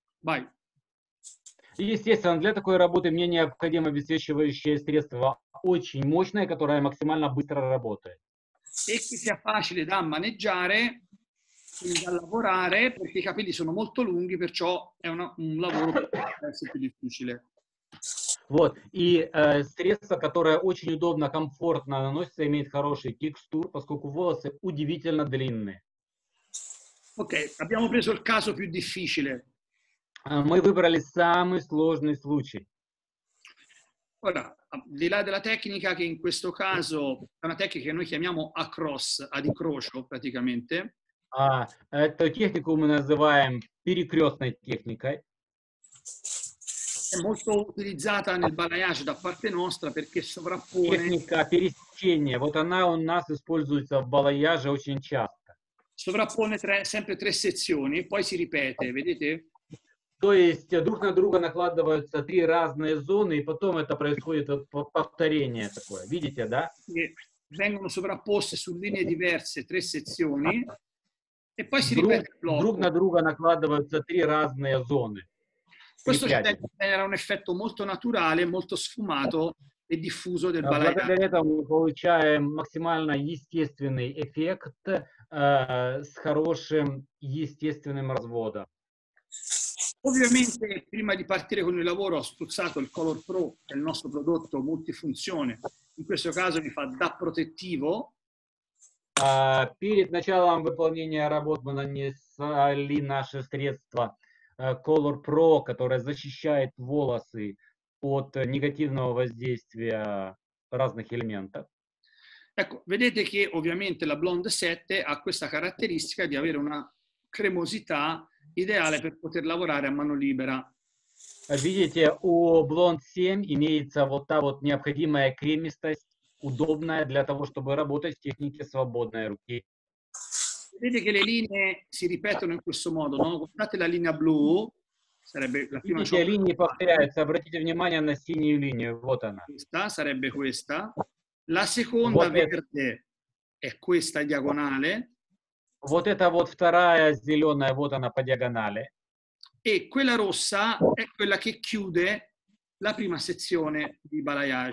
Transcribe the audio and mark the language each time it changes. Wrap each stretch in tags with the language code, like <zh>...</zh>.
<it>Vai.</it> <ru>Естественно, для такой работы мне необходимо обесцвечивающее средство очень мощное, которое максимально быстро работает.</ru> <it>E che sia facile da maneggiare, da lavorare, perché i capelli sono molto lunghi, perciò è un lavoro più difficile.</it> <ru>Вот, и средство, которое очень удобно, комфортно наносится, имеет хороший текстур, поскольку волосы удивительно длинные.</ru> <it>Ok, abbiamo preso il caso più difficile.</it> <ru>Мы выбрали самый сложный случай.</ru> <it>Ora, di là della tecnica che in questo caso è una tecnica che noi chiamiamo a cross, ad incrocio praticamente.</it> <ru>Эту технику мы называем перекрестной техникой.</ru> <it>È molto utilizzata nel balayage da parte nostra perché sovrappone.</it> <ru>Техника пересечения, вот она у нас используется в балаяже очень часто.</ru> <it>Sovrappone sempre tre sezioni, poi si ripete, vedete?</it> <ru>То есть друг на друга накладываются три разные зоны, и потом это происходит повторение такое. Видите, да?</ru> <it>Vengono sovrapposte su linee diverse tre sezioni, e poi si ripete il blocco.</it> <ru>Друг на друга накладываются три разные зоны.</ru> <it>Questo era un effetto molto naturale, molto сфумato e diffuso del balаяж.</it> <ru>Благодаря этому мы получаем максимально естественный эффект с хорошим естественным разводом.</ru> <it>Ovviamente prima di partire con il lavoro ho spruzzato il Color Pro, che è il nostro prodotto multifunzione. In questo caso mi fa da protettivo.</it> <ru>Перед началом выполнения работ мы нанесли наше средство Color Pro, которое защищает волосы от негативного воздействия разных элементов.</ru> <it>Ecco, vedete che ovviamente la Blonde 7 ha questa caratteristica di avere una cremosità ideale per poter lavorare a mano libera.</it> <ru>Видите, у Blonde 7 имеется вот та вот необходимая кремистость, удобная для того, чтобы работать в технике свободной руки.</ru> <it>Vedete che le linee si ripetono in questo modo, no? Guardate la linea blu, sarebbe la prima.</it> <ru>Видите, линии повторяются. Обратите внимание на синюю линию. Вот она.</ru> <it>Questa sarebbe questa. La seconda verde è questa diagonale.</it> <ru>Вот эта вот вторая зеленая, вот она по диагонали.</ru> <it>E quella rossa è quella che chiude la prima sezione di balayage.</it>